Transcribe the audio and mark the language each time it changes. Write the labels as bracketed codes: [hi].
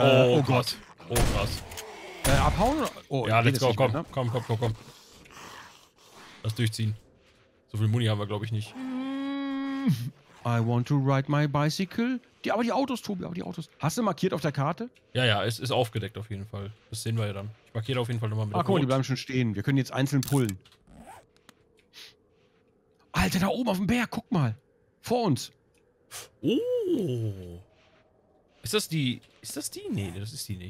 [de] Oh Gott. Oh krass. Abhauen? Oh, ja, [en] let's go, [de] komm. Mehr, ne? Komm. Lass durchziehen. So viel Muni haben wir, glaube ich, nicht. [en] I want to ride my bicycle. [de] Aber die Autos, Tobi. Hast du markiert auf der Karte? Ja, es ist aufgedeckt auf jeden Fall. Das sehen wir ja dann. Ich markiere auf jeden Fall nochmal mit. Ach guck mal, die bleiben schon stehen. Wir können jetzt einzeln pullen. Alter, da oben auf dem Berg, guck mal. Vor uns. Oh. Ist das die? Nee, das ist die nicht.